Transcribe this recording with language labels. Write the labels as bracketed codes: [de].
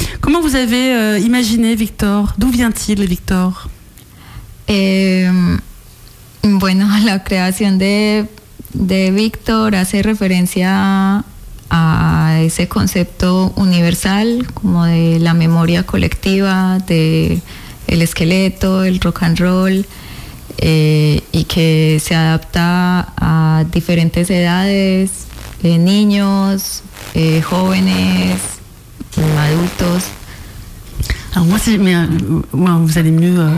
[fr] Comment vous avez imaginé Victor? D'où vient-il, Victor? [es] Bueno, la creación de Víctor hace referencia a ese concepto universal como de la memoria colectiva, de el esqueleto, el rock and roll, y que se adapta a diferentes edades, niños, jóvenes, adultos. [fr] Alors moi, vous allez mieux